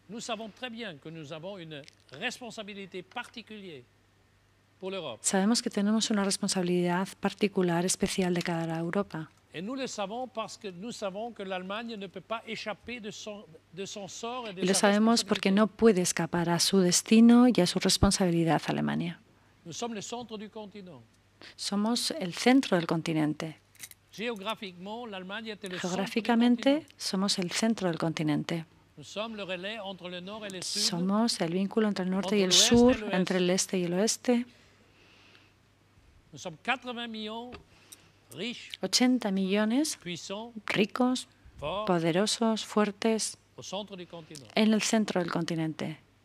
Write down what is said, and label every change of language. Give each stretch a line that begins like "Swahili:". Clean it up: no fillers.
French: Nous savons très bien que nous avons une responsabilité particulière pour l'Europe.
Spanish: Sabemos que tenemos una responsabilidad particular especial de cara a Europa.
French: Et nous le savons parce que nous savons que l'Allemagne ne peut pas échapper de son sort et de sa.
Spanish: Lo sabemos porque no puede escapar a su destino y a su responsabilidad Alemania.
French: Nous sommes le centre du continent.
Spanish: Somos el centro del continente.
French: Géographiquement, l'Allemagne est le centre.
Spanish: Geográficamente, somos el centro del continente.
French: Nous sommes le relais entre le nord et le sud.
Spanish: Somos el vínculo entre el norte y el sur, entre el este y el oeste.
French: Nous sommes 80 millions.
Spanish: 80 millones, ricos, poderosos, fuertes, en el centro del continente.